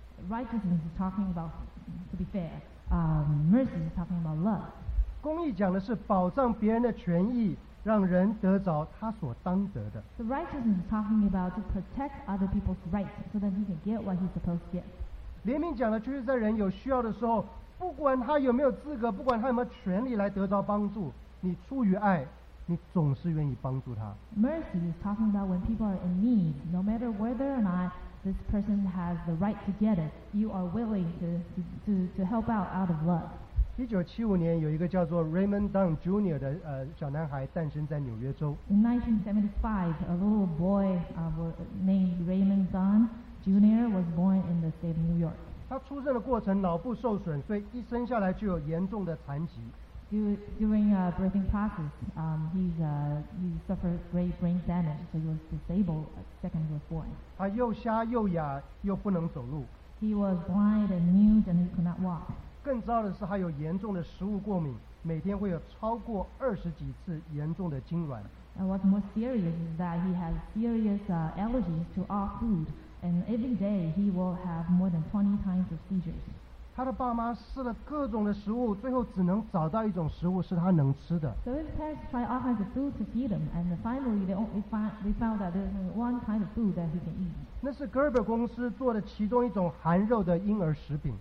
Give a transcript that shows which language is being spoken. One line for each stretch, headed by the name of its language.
English: Righteousness is talking about to be fair. Mercy is talking about love.
Chinese: 公义讲的是保障别人的权益，让人得着他所当得的。
English: The righteousness is talking about to protect other people's rights so that he can get what he's supposed to get.
Chinese: 怜悯讲的却是在人有需要的时候，不管他有没有资格，不管他有没有权利来得到帮助。你出于爱，你总是愿意帮助他。
English: Mercy is talking about when people are in need, no matter whether or not this person has the right to get it, you are willing to help out of love.
Chinese: 1975年有一个叫做 Raymond Dunn Jr. 的小男孩诞生在纽约州。
English: In 1975, a little boy named Raymond Dunn Jr. was born in the state of New York.
Chinese: 他出生的过程脑部受损，所以一生下来就有严重的残疾。
English: During a birthing process, he suffered great brain damage, so he was disabled the second he was born.
Chinese: 他又瞎又哑又不能走路。
English: He was blind and mute and he could not walk.
Chinese: 更糟的是，他有严重的食物过敏，每天会有超过20几次严重的痉挛。
English: And what's more serious is that he has serious allergies to all food, and every day he will have more than 20 times of seizures.
Chinese: 他的爸妈试了各种的食物，最后只能找到一种食物是他能吃的。
English: So his parents tried all kinds of food to feed him, and finally they found that there's only one kind of food that he can eat.
Chinese: 那是 Gerber 公司做的其中一种含肉的婴儿食品。